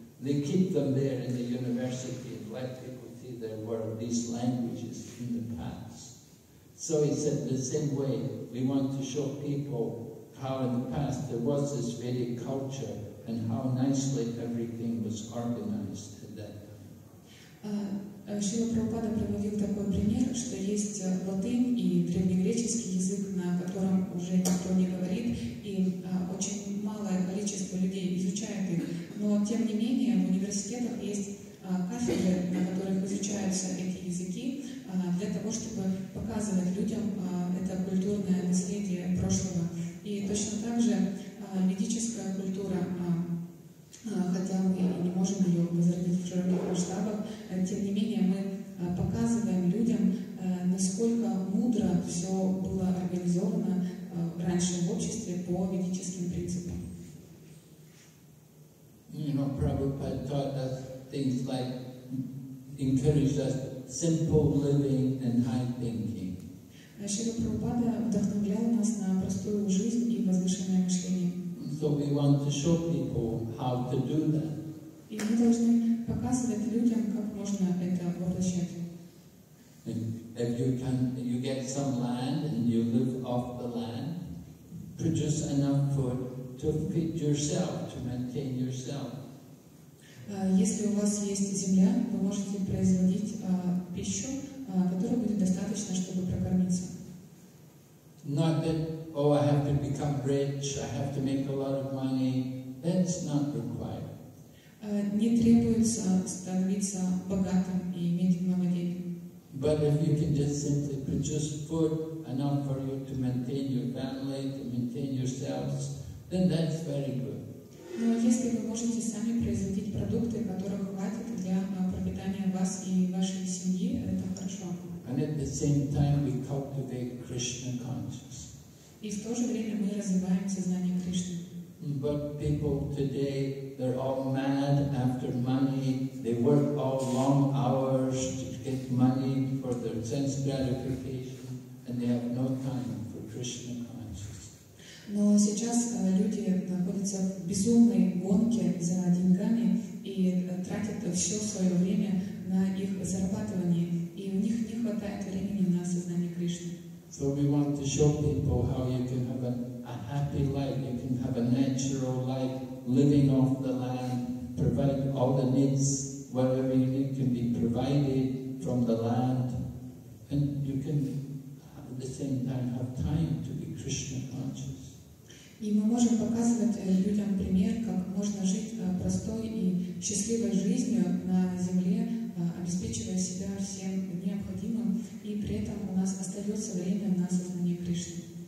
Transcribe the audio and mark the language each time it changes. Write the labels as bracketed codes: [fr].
[en] They keep them there in the university and let people see their work, these languages in the past. So he said, the same way, we want to show people how in the past there was this Vedic culture and how nicely everything was organized at that time. [ru] Шрила Прабхупада приводил такой пример, что есть латынь и древнегреческий язык, на котором уже никто не говорит, и очень малое количество людей изучает их. Но, тем не менее, в университетах есть кафедры, на которых изучаются эти языки, для того, чтобы показывать людям это культурное наследие прошлого. И точно так же ведическая культура, хотя мы не можем ее возродить в широких масштабах, тем не менее мы показываем людям, насколько мудро все было организовано раньше в обществе по ведическим принципам. [en] You know, Prabhupada taught us things like, encouraged us, simple living and high thinking. [ru] Шрила Прабхупада вдохновлял нас на простую жизнь и возвышенное мышление. [en] So we want to show people how to do that. [ru] И мы должны показывать людям, как можно это воплощать. [en] If you can, you get some land and you live off the land, produce enough food to feed yourself, to maintain yourself. [ru] Если у вас есть земля, вы можете производить пищу, которой будет достаточно, чтобы прокормиться. [en] Not that, I have to become rich, I have to make a lot of money. That's not required. [ru] Не требуется становиться богатым и иметь много денег. [en] But if you can just simply produce food enough for you to maintain your family, to maintain yourselves, then that's very good. [ru] Но если вы можете сами производить продукты, которых хватит для пропитания вас и вашей семьи, это хорошо. [en] And at the same time, we cultivate Krishna consciousness. [ru] И в то же время мы развиваем сознание Кришны. [en] But people today, they're all mad after money. They work all long hours to get money for their sense gratification, and they have no time for Krishna consciousness. [ru] Но сейчас люди находятся в безумной гонке за деньгами и тратят все свое время на их зарабатывание, и у них не хватает времени на сознание Кришны. [en] So we want to show people how you can have a happy life, you can have a natural life, living off the land, provide all the needs, whatever you need can be provided from the land, and you can at the same time have time to be Krishna conscious. [ru] И мы можем показывать людям пример, как можно жить простой и счастливой жизнью на земле, обеспечивая себя всем необходимым, и при этом у нас остается время на сознание Кришны.